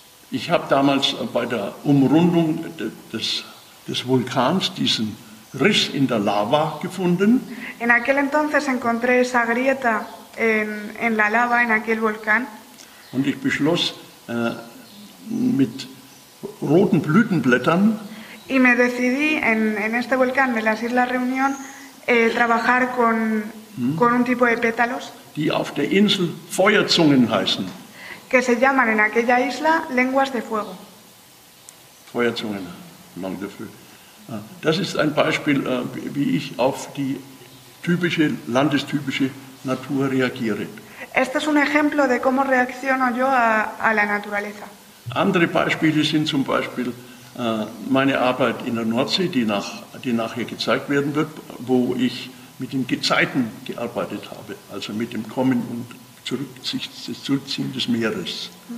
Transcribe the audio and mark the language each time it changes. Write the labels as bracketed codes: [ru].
[de] Ich habe damals bei der Umrundung des Vulkans diesen Riss in der Lava gefunden. [es] En aquel entonces encontré esa grieta en la lava en aquel volcán. [de] Und ich beschloss mit roten Blütenblättern. [es] Y me decidí en este volcán de las Islas Reunión trabajar con un tipo de pétalos. [de] Die auf der Insel Feuerzungen heißen. [es] Que se llaman en aquella isla lenguas de fuego. [de] Feuerzungen, [fr] langue de feu. [de] Das ist ein Beispiel, wie ich auf die typische, landestypische Natur reagiere. [es] Este es un ejemplo de cómo reacciono yo a la naturaleza. [de] Andere Beispiele sind zum Beispiel meine Arbeit in der Nordsee, die nachher gezeigt werden wird, wo ich mit den Gezeiten gearbeitet habe, also mit dem Kommen und Zurückziehen des Meeres.